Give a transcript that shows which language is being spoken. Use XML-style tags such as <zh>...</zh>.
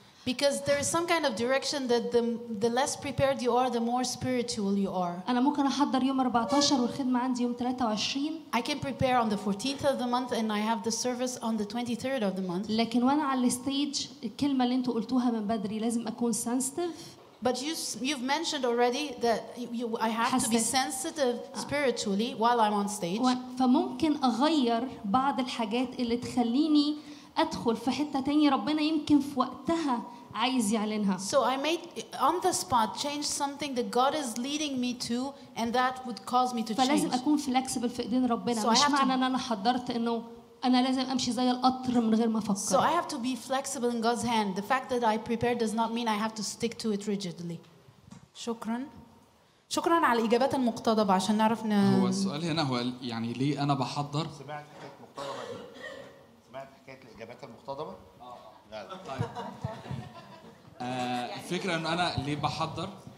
<en>Because there is some kind of direction that the less prepared you are, the more spiritual you are.</en> <ar>أنا ممكن أحضر يوم 14 والخدمة عندي يوم 23.</ar> <en>I can prepare on the 14th of the month and I have the service on the 23rd of the month.</en> <ar>لكن وأنا على الستيج الكلمة اللي أنتوا قلتوها من بدري لازم أكون sensitive.</ar> <en>But you've mentioned already that I have to be sensitive spiritually while I'm on stage.</en> <ar>فممكن أغير بعض الحاجات اللي تخليني أدخل في حتة تانية ربنا يمكن في وقتها عايز يعلنها.</ar> <en>So I may on the spot change something that God is leading me to and that would cause me to change.</en> <ar>فلازم أكون flexible في إيدين ربنا. So مش معنى أنا حضرت إنه أنا لازم أمشي زي القطر من غير ما أفكر.</ar> <en>So I have to be flexible in God's hand. The fact that I prepare does not mean I have to stick to it rigidly.</en> <ar>شكرا. شكرا على الإجابات المقتضبة عشان نعرف هو السؤال هنا هو يعني ليه أنا بحضر؟ الفكره ان انا ليه بحضر</ar>